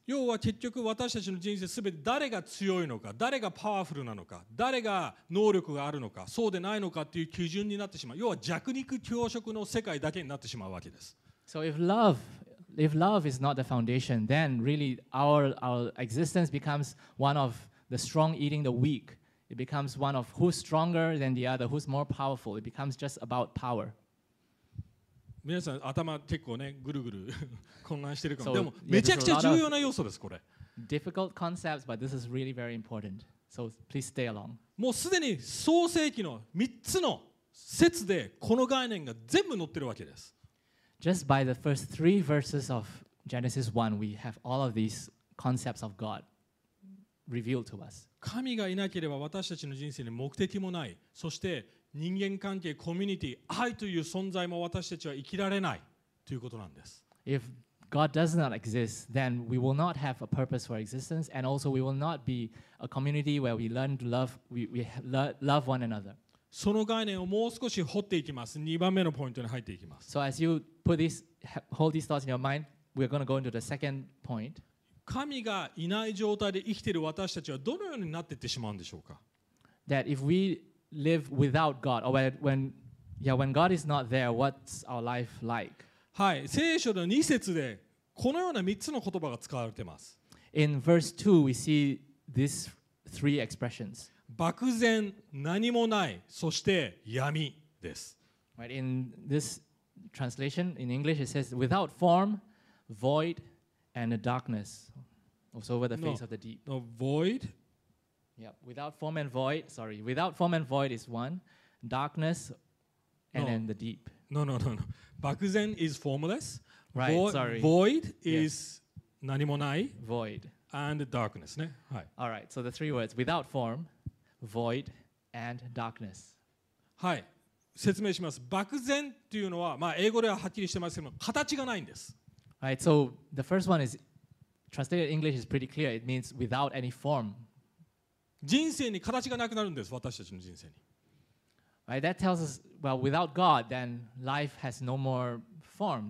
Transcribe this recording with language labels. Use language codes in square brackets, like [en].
[ja] 要は結局私たちの人生すべて誰が強いのか、誰がパワフルなのか、誰が能力があるのか、そうでないのかっていう基準になってしまう。要は弱肉強食の世界だけになってしまうわけです。 [en] So if love is not the foundation, then really our existence becomes one of the strong eating the weak. It becomes one of who's stronger than the other, who's more powerful. It becomes just about power. [ja] 皆さん頭結構ねぐるぐる混乱してるかも。でもめちゃくちゃ重要な要素ですこれ。 [en] Difficult concepts, but this is really very important. So please stay along. [ja] もうすでに創世記の3つの節でこの概念が全部載ってるわけです。 [en] Just by the first three verses of Genesis 1, we have all of these concepts of God revealed to us. [ja] 神がいなければ私たちの人生に目的もない。そして人間関係、コミュニティ、愛という存在も私たちは生きられないということなんです。 [en] If God does not exist, then we will not have a purpose for existence, and also we will not be a community where we learn to love, we love one another. [ja] その概念をもう少し掘っていきます。2番目のポイントに入っていきます。 [en] So as you hold these thoughts in your mind, we're going to go into the second point. [ja] 神がいない状態で生きている私たちはどのようになっていってしまうんでしょうか。 [en] That if we live without God, or when God is not there, what's our life like? [ja] はい、聖書の2節でこのような3つの言葉が使われています。 [en] In verse 2, we see these three expressions. [ja] 漠然、何もない、そして闇です。 [en] Right, in this translation, in English, it says, without form, void, and darkness. Also over the face of the deep. No, void. Yeah, without form and void. Sorry, without form and void is one, darkness, and then the deep. No. Bakuzen is formless. Right. Sorry. Void is nanimonai. Void and darkness. [ja] Ne. Hi. [en] All right. So the three words: without form, void, and darkness. Hi. [ja] 説明します。 Bakuzen というのは、まあ英語でははっきりしてますけど、形がないんです。 [en] Right. So the first one is translated English is pretty clear. It means without any form. [ja] 人生に形がなくなるんです、私たちの人生に。 [en] Right, that tells us, well, without God, then life has no more form.